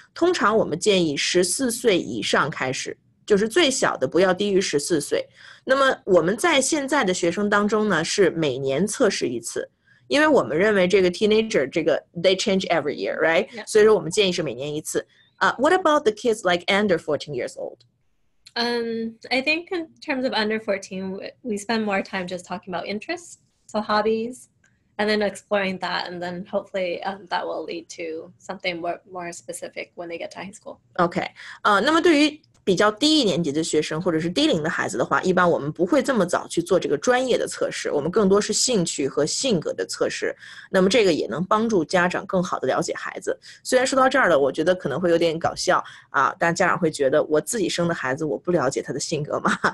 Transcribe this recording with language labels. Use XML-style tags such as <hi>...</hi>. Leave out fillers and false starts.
<zh>通常我们建议14岁以上开始，就是最小的不要低于14岁。那么我们在现在的学生当中呢，是每年测试一次。因为我们认为这个</zh> <en>teenager,</en> <zh>这个</zh> <en>they change every year, right?、 Yeah.</en> <zh>所以说我们建议是每年一次。</zh> <en>What about the kids like under 14 years old? I think in terms of under 14, we spend more time just talking about interests, so hobbies, and then exploring that, and then hopefully that will lead to something more specific when they get to high school. Okay.</en> <zh>那么对于比较低一年级的学生或者是低龄的孩子的话，一般我们不会这么早去做这个专业的测试，我们更多是兴趣和性格的测试。那么这个也能帮助家长更好的了解孩子。虽然说到这儿了，我觉得可能会有点搞笑啊，但家长会觉得我自己生的孩子我不了解他的性格吗？</zh>